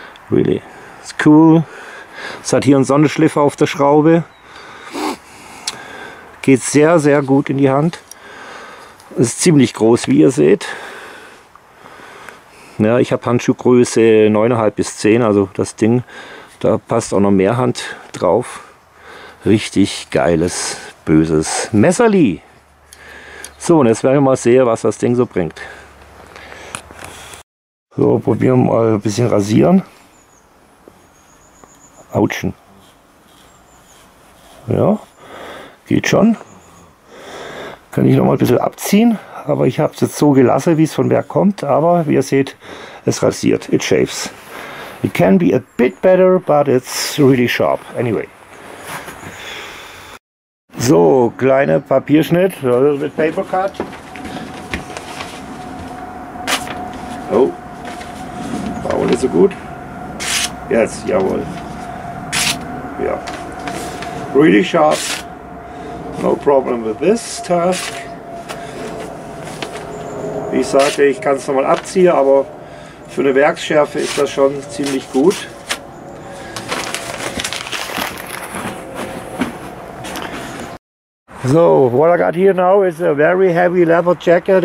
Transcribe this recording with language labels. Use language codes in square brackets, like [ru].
[en] Really. It's cool. [de] Es hat hier einen Sonnenschliff auf der Schraube. Geht sehr, sehr gut in die Hand. Ist ziemlich groß, wie ihr seht. Ja, ich habe Handschuhgröße 9,5 bis 10, also das Ding, da passt auch noch mehr Hand drauf. Richtig geiles, böses Messerli. So, und jetzt werden wir mal sehen, was das Ding so bringt. So, probieren wir mal ein bisschen rasieren. Autschen. Ja. Geht schon. Kann ich noch mal ein bisschen abziehen. Aber ich habe es jetzt so gelassen, wie es von Berg kommt. Aber wie ihr seht, es rasiert. [en] It shaves. It can be a bit better, but it's really sharp. Anyway. [de] So, kleiner Papierschnitt. [en] A little bit paper cut. [de] Oh. War wohl nicht so gut. [en] Yes, [de] jawohl. Ja. [en] Yeah. Really sharp. No problem with this task. [de] Wie ich sagte, ich kann es nochmal abziehen, aber für eine Werksschärfe ist das schon ziemlich gut. [en] So, what I got here now is a very heavy leather jacket.